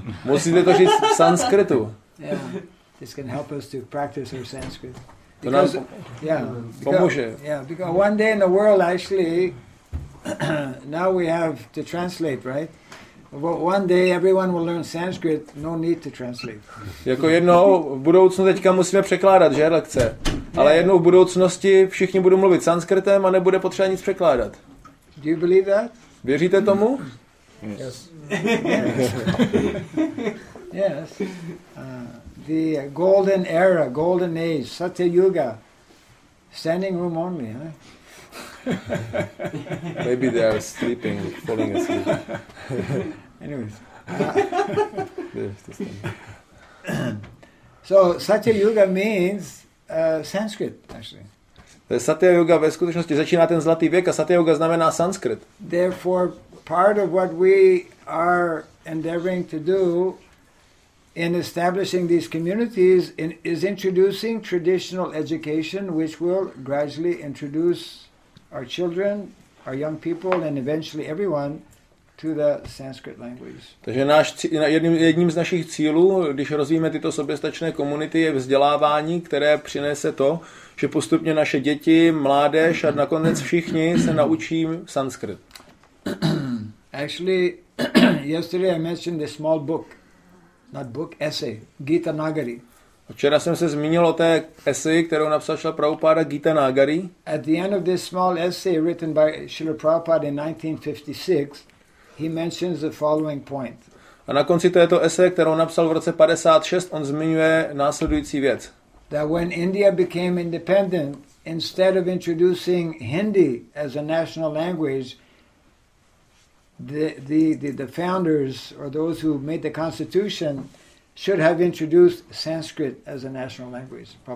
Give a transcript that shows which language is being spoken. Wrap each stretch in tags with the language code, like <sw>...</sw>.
<cs>Musíte to říct v sanskritu.</cs> <en>Yeah. This can help us to practice our Sanskrit.</en> <cs>Because, to nám pomůže.</cs> <en>Yeah, because one day in the world actually now we have to translate, right? But one day everyone will learn Sanskrit, no need to translate.</en> <cs>Jako jednou v budoucnu teďka musíme překládat, že lekce. Ale jednou v budoucnosti všichni budou mluvit sanskritem a nebude potřeba nic překládat.</cs> <en>Do you believe that?</en> <cs>Věříte tomu?</cs> <en>Yes. Yes. Yes. The golden era, golden age, Satya Yuga. Standing room only, huh? Maybe they are sleeping, falling asleep. Anyways. So Satya Yuga means Sanskrit, actually.</en> <cs>Satya Yuga ve skutečnosti začíná ten zlatý věk a Satya Yuga znamená Sanskrit.</cs> <en>Therefore, part of what we are endeavoring to do in establishing these communities is introducing traditional education, which will gradually introduce our children, our young people, and eventually everyone to the Sanskrit language.</en> <cs>Takže náš jedním z našich cílů, když rozvíjeme tyto soběstačné komunity, je vzdělávání, které přinese to, že postupně naše děti, mládež a nakonec všichni se naučí sanskrit.</cs> <en>Actually, yesterday I mentioned a small book, not book, essay, Gita Nagari.</en> <cs>Včera jsem se zmínil o té eseji, kterou napsal Šrila Prabhupáda Gita Nagari.</cs> <en>At the end of this small essay written by Srila Prabhupada in 1956, he mentions the following point.</en> <cs>A na konci této eseje, kterou napsal v roce 56, on zmiňuje následující věc.</cs> <en>That when India became independent, instead of introducing Hindi as a national language, the founders or those who made the constitution should have introduced Sanskrit as a national language.</en>